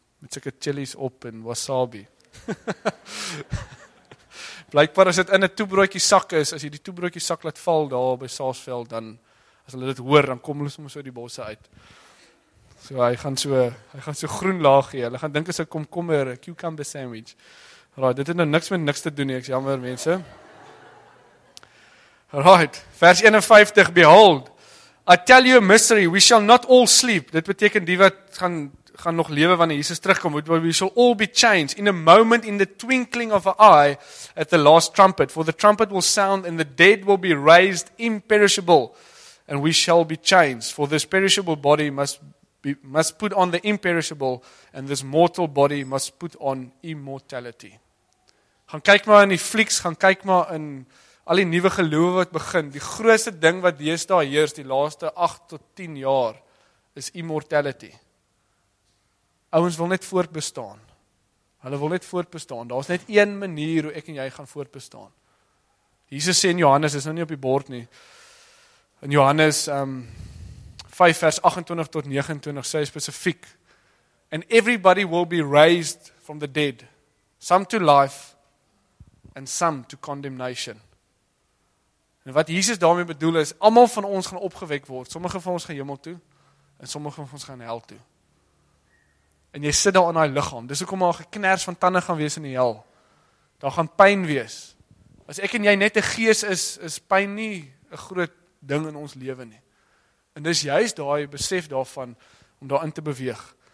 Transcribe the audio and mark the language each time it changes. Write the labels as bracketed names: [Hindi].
[Afrikaans] Met sikke chilies op en wasabi. Blykbaar as dit in 'n toebroodjie sak is, as jy die toebroodjie sak laat val daar by Saasveld, dan as hulle dit hoor, dan kom hulle soms uit die bosse uit. So hy gaan so groen laag gee. Hulle gaan dink as 'n komkommer, 'n cucumber sandwich. Right, dit het nou niks met niks te doen nie, ek's jammer mense. [English] Right, vers 51, behold, I tell you a mystery, we shall not all sleep. [Afrikaans] Dit beteken die wat gaan nog lewe wanneer Jesus terugkom, [English] but we shall all be changed in a moment in the twinkling of an eye at the last trumpet. For the trumpet will sound and the dead will be raised imperishable and we shall be changed. For this perishable body must put on the imperishable and this mortal body must put on immortality. [Afrikaans] Gaan kyk maar in die flieks, gaan kyk maar in al die nuwe geloof wat begin. Die grootste ding wat deesdae heers die laaste 8 tot 10 jaar is immortality. Ouens wil net voortbestaan. Hulle wil net voortbestaan. Daar is net een manier hoe ek en jy gaan voortbestaan. Jesus sê in Johannes, is nou nie op die bord nie. In Johannes 5 vers 28 tot 29 sê spesifiek. [English] And everybody will be raised from the dead. Some to life and some to condemnation. [Afrikaans] En wat Jesus daarmee bedoel is, almal van ons gaan opgewek word. Sommige van ons gaan hemel toe en sommige van ons gaan hel toe. En jy sit daar in hy lichaam, dis ook om al geknars van tanden gaan wees in die hel. Daar gaan pijn wees. As ek en jy net een gees is, is pijn nie een groot ding in ons leven nie. En dis juist daar, jy besef daarvan, om daarin te beweeg.